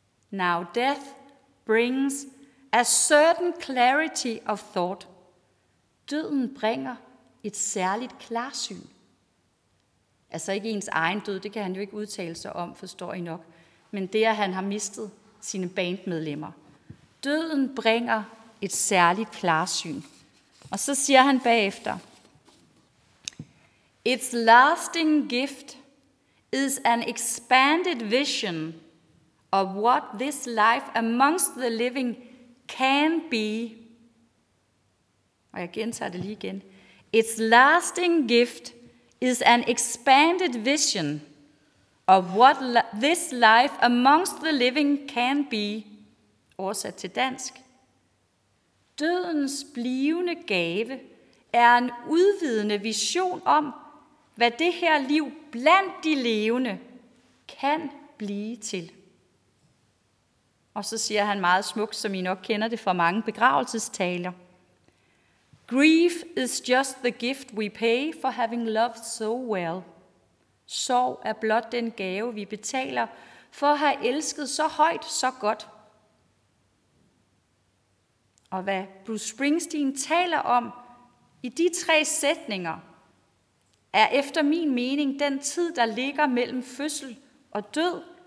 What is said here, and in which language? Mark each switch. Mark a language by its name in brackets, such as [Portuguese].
[English] Now death brings a certain clarity of thought. [Danish] Døden bringer et særligt klarsyn. Altså ikke ens egen død, det kan han jo ikke udtale sig om, forstår I nok. Men det, at han har mistet sine bandmedlemmer. Døden bringer et særligt klarsyn. Og så siger han bagefter. [English] Its lasting gift is an expanded vision of what this life amongst the living can be. [Danish] Og jeg gentager det lige igen. [English] Its lasting gift is an expanded vision of what this life amongst the living can be. [Danish] Oversat til dansk. Dødens blivende gave er en udvidende vision om, hvad det her liv blandt de levende kan blive til. Og så siger han meget smukt, som I nok kender det fra mange begravelsestaler. [English] Grief is just the gift we pay for having loved so well. [Danish] Sorg er blot den gave, vi betaler for at have elsket så højt, så godt. Og hvad Bruce Springsteen taler om i de tre sætninger, er efter min mening den tid, der ligger mellem fødsel og død.